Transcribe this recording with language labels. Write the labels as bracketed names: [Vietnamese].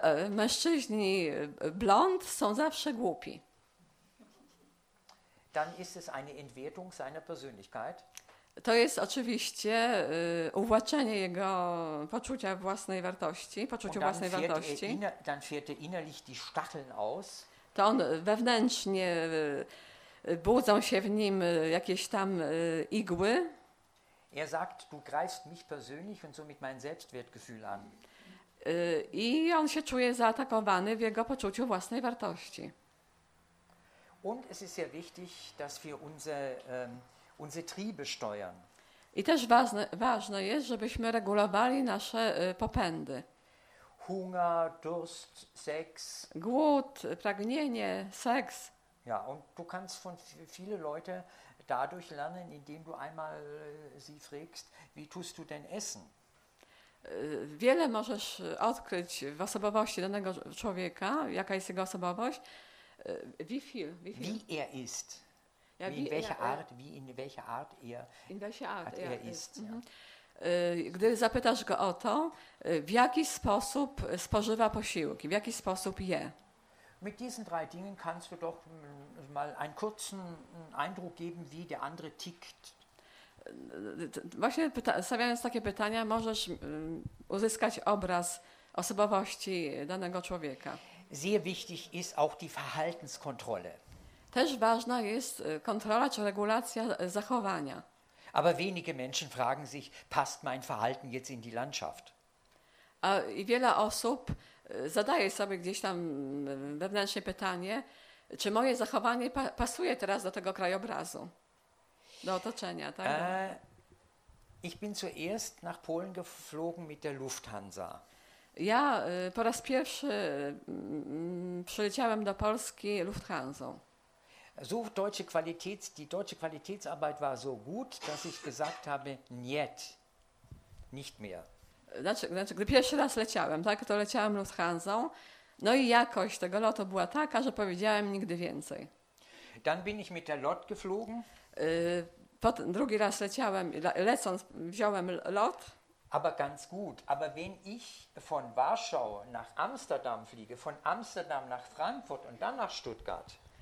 [Polish] Mężczyźni blond są zawsze głupi. [German] Dann ist es eine Entwertung seiner Persönlichkeit. [Polish] To jest oczywiście uwłaczenie jego poczucia własnej wartości, poczucia własnej wartości. [German] Dann fährt er innerlich die Stacheln aus. [Polish] To on wewnętrznie budzą się w nim jakieś tam igły. [German] Er sagt, du greifst mich persönlich und somit mein Selbstwertgefühl an. [Polish] I on się czuje zaatakowany w jego poczuciu własnej wartości. [German] Und es ist sehr wichtig, dass wir unsere Triebe steuern. [Polish] I też ważne jest, żebyśmy regulowali nasze popędy. [German] Hunger, Durst, Sex. [Polish] Głód, pragnienie, seks. [German] Ja, und du kannst von viele Leute dadurch lernen, indem du einmal sie fragst, wie tust du denn essen? [Polish] Wiele możesz odkryć w osobowości danego człowieka, jaka jest jego osobowość. [German] Wie viel? Wie er ist. Ja, wie in welcher Art, wie in welcher Art er, in welcher Art er ist. Ja. [Polish] Gdy zapytasz go o to, w jaki sposób spożywa posiłki, w jaki sposób je. [German] Mit diesen drei Dingen kannst du doch mal einen kurzen Eindruck geben, wie der andere tickt. [Polish] Właśnie stawiając takie pytania, możesz uzyskać obraz osobowości danego człowieka. [German] Sehr wichtig ist auch die Verhaltenskontrolle. [Polish] Też ważna jest kontrola czy regulacja zachowania. [German] Aber wenige Menschen fragen sich, passt mein Verhalten jetzt in die Landschaft? [Polish] I wiele osób zadaje sobie gdzieś tam wewnętrznie pytanie, czy moje zachowanie pasuje teraz do tego krajobrazu, do otoczenia, tak? [German] Ich bin zuerst nach Polen geflogen mit der Lufthansa. [Polish] Ja po raz pierwszy przyleciałem do Polski Lufthansą. [German] Die deutsche Qualitätsarbeit war so gut, dass ich gesagt habe, niet, nicht mehr. [Polish] Znaczy, gdy pierwszy raz leciałem, tak, to leciałem Lufthansą, no i jakość tego lotu była taka, że powiedziałem nigdy więcej. [German] Dann bin ich mit der Lot geflogen. [Polish] Potem drugi raz leciałem, lecąc wziąłem lot. [German] Aber ganz gut, aber wenn ich von Warschau nach Amsterdam fliege, von Amsterdam nach Frankfurt und dann nach Stuttgart.